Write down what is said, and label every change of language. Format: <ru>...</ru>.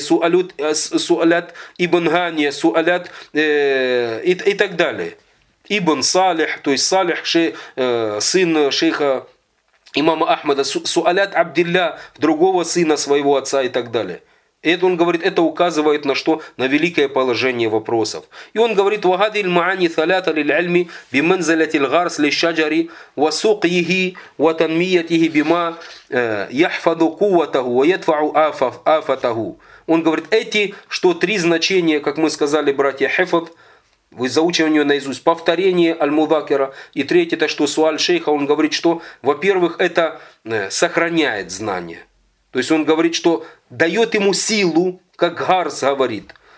<ru>Суалят Ибн Гания, Суалят и так далее. Ибн Салих, то есть Салих, сын шейха имама Ахмеда. Суалят Абдилля, другого сына своего отца и так далее. И это он говорит, это указывает на что? На великое положение вопросов. И он говорит,</ru> <ar>وَهَذِي الْمَعَانِ ثَلَاثَ لِلْعَلْمِ بِمَنْزَلَةِ الْغَرْسِ لِلْشَجَرِ وَسُقْيِهِ وَتَنْمِيَتِهِ بِمَا يَحْفَذُ قُوَّتَهُ وَيَدْفَعُ آفَتَهُ.</ar> <ru>Он говорит, эти что три значения, как мы сказали, братья Хефад, вы заучивание наизусть, повторение аль-мудакера, и третье, это что суаль шейха, он говорит, что, во-первых, это сохраняет знания. То есть он говорит, что дает ему силу, как гарс говорит.</ru>